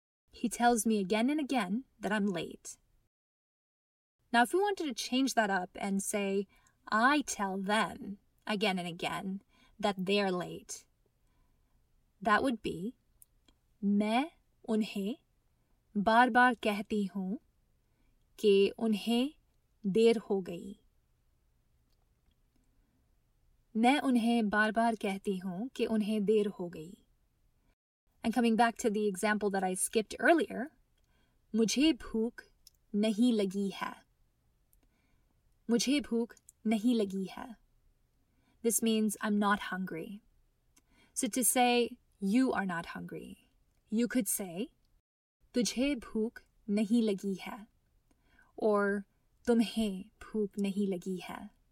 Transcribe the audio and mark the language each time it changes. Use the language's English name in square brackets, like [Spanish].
[English] He tells me again and again that I'm late. Now, if we wanted to change that up and say, I tell them again and again that they're late, that would be, [Hindi] मैं उन्हें बार-बार कहती हूँ कि उन्हें देर हो गई. मैं उन्हें बार-बार कहती हूँ कि उन्हें देर हो गई. [English] And coming back to the example that I skipped earlier, [Hindi] मुझे भूख नहीं लगी है. मुझे भूख नहीं लगी है. [English] This means I'm not hungry. So to say you are not hungry, you could say, [Hindi] तुझे भूख नहीं लगी है, [English] or [Hindi] तुम्हें भूख नहीं लगी है.